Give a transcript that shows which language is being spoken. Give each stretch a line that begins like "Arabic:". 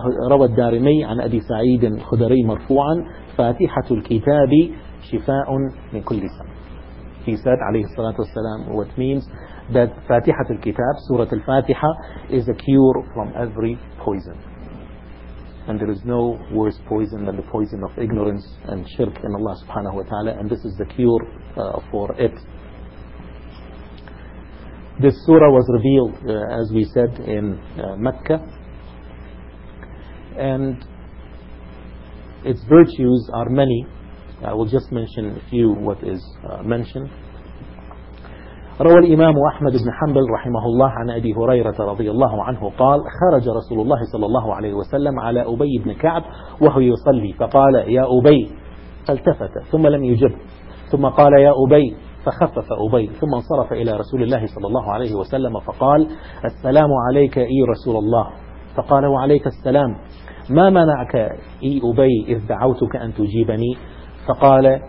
Arabic: روى الدارمي عن أبي سعيد الخدري مرفوعا فاتحة الكتاب شفاء من كل سم.
English: He said
Arabic: عليه الصلاة والسلام,
English: what means that فاتحة الكتاب, سورة الفاتحة, is a cure from every poison. And there is no worse poison than the poison of ignorance and shirk in Allah subhanahu wa ta'ala, and this is the cure for it. This surah was revealed, as we said, in Mecca. And its virtues are many. I will just mention a few what is mentioned.
Arabic: روى الإمام أحمد بن حنبل رحمه الله عن أبي هريرة رضي الله عنه قال خرج رسول الله صلى الله عليه وسلم على أبي بن كعب وهو يصلي فقال يا أبي, فالتفت ثم لم يجب, ثم قال يا أبي, فخفف أبي ثم انصرف إلى رسول الله صلى الله عليه وسلم فقال السلام عليك أي رسول الله, فقال وعليك السلام, ما منعك أي أبي إذ دعوتك أن تجيبني, فقال